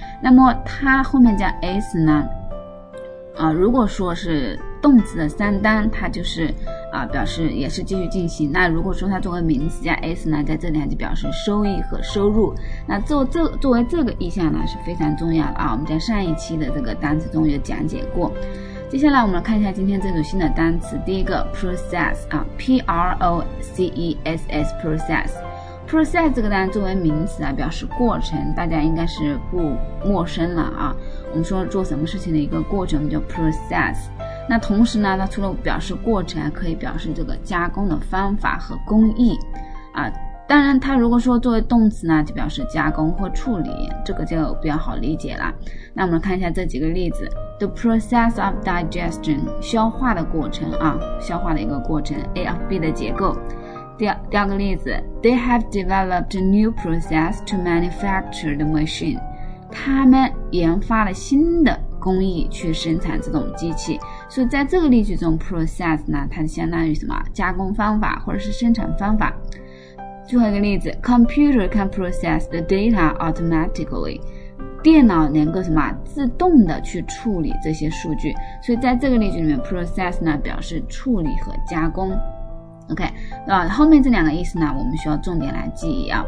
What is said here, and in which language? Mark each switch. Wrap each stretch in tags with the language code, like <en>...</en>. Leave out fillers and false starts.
<zh>那么它后面加 s 呢如果说是动词的三单，它就是表示也是继续进行。那如果说它作为名词加 s 呢，在这里还就表示收益和收入。那作为这个意象呢是非常重要的啊，我们在上一期的这个单词中有讲解过。接下来我们来看一下今天这组新的单词。第一个 process 啊 P-R-O-C-E-S-S process。 process 这个单词作为名词啊，表示过程，大家应该是不陌生了啊。我们说做什么事情的一个过程，我们叫 process。那同时呢，它除了表示过程，还可以表示这个加工的方法和工艺啊。当然它如果说作为动词呢，就表示加工或处理，这个就比较好理解了。那我们看一下这几个例子。</zh> <en>The process of digestion，</en> <zh>消化的过程啊，消化的一个过程。 A of B 的结构。第二个例子 ，</zh> <en>They have developed a new process to manufacture the machine。</en> <zh>他们研发了新的工艺去生产这种机器。所以在这个例句中 ，process 呢，它相当于什么？加工方法或者是生产方法。最后一个例子 ，</zh> <en>Computer can process the data automatically。</en> <zh>电脑能够什么自动的去处理这些数据，所以在这个例句里面 process 呢表示处理和加工。 OK， 后面这两个意思呢我们需要重点来记忆啊。</zh>